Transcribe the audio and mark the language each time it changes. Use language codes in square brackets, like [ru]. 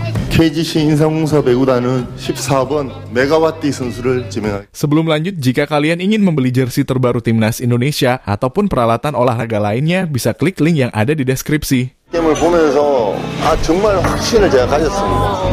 [ko] KGC 인삼공사 배구단은 14번 메가와티 선수를 지명합니다. [id] Sebelum lanjut, jika kalian ingin membeli jersey terbaru Timnas Indonesia ataupun peralatan olahraga lainnya, bisa klik link yang ada di deskripsi. [ko] 게임을 보면서 아 정말 확신을 제가 가졌습니다.